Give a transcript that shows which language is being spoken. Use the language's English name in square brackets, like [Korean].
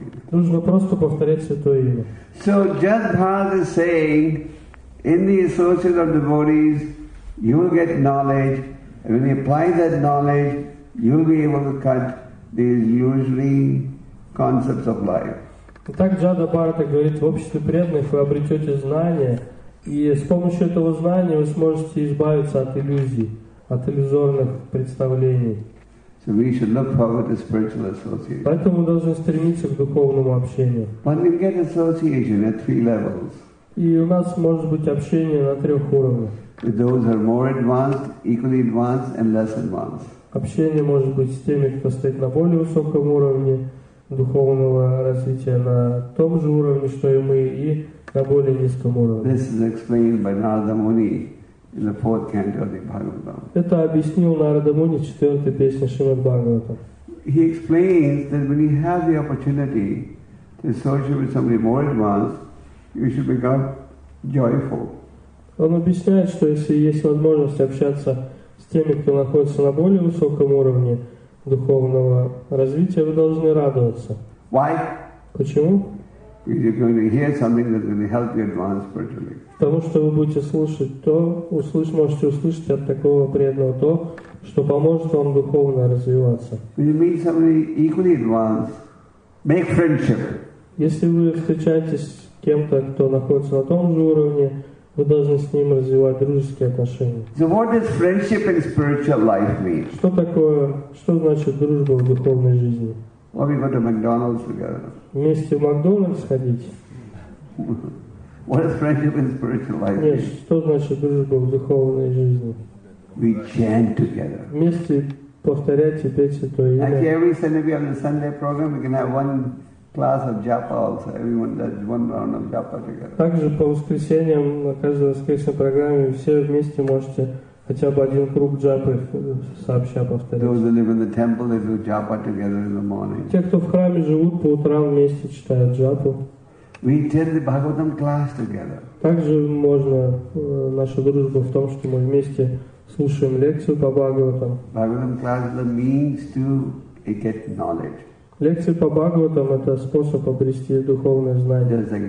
[Russian] Нужно просто повторять святое имя. [English] So just Bhagavad is saying, in the associates of devotees, you will get knowledge, and when you apply that knowledge, you will be able to cut these illusory concepts of life. [Russian] Итак, Джада Бхарата говорит, в обществе преданных вы обретете знания, и с помощью этого знания вы сможете избавиться от иллюзий, от иллюзорных представлений. [English] So we should look forward to spiritual association. [Russian] Поэтому мы должны стремиться к духовному общению. [English] But we get association at three levels. [Russian] И у нас может быть общение на трех уровнях. [English] With those who are more advanced, equally advanced, and less advanced. [Russian] Общение может быть с теми, кто стоит на более высоком уровне духовного развития на том же уровне, что и мы, и на более низком уровне. [English] This is explained by Narada Muni in the fourth canto of the Bhagavatam. [Russian] Это объяснил Нарада Муни в четвертой песне Шримад Бхагаватам. [English] He explains that when you have the opportunity to associate with somebody more advanced, you should become joyful. [Russian] Он объясняет, что если есть возможность общаться с теми, кто находится на более высоком уровне духовного развития, вы должны радоваться. [English] Why? [Russian] Почему? [English] Because you're going to hear something that's going to help you advance spiritually. [Russian] Потому что вы будете слушать то, можете услышать от такого преданного то, что поможет вам духовно развиваться. [English] When you meet somebody equally advanced, make friendship. [Russian] Если вы встречаетесь с кем-то, кто находится на том же уровне, вы должны с ним развивать дружеские отношения. [English] So what does friendship in spiritual life mean? [Russian] Что такое, что значит дружба в духовной жизни? [English] Or we go to McDonald's together. [Russian] Вместе в Макдональдс ходить. [English] What does friendship in spiritual life mean? [Russian] Нет, что значит дружба в духовной жизни? [English] We chant together. [Russian] Вместе повторять и петь святое имя. [English] Like every Sunday we have the Sunday program, we can have one class of japa also, everyone does one round of japa together. [Russian] Также по воскресеньям на каждой воскресной программе все вместе можете хотя бы один круг джапы сообща повторять. [English] Those who live in the temple, they do japa together in the morning. [Russian] Те, кто в храме живут, по утрам вместе читают джапу. [English] We attend the Bhagavatam class together. [Russian] Также можно наша дружба в том, что мы вместе слушаем лекцию по Бхагаватам. [English] Bhagavatam class is the means to get knowledge. [Russian] Лекции по Бхагаватам – это способ обрести духовное знание.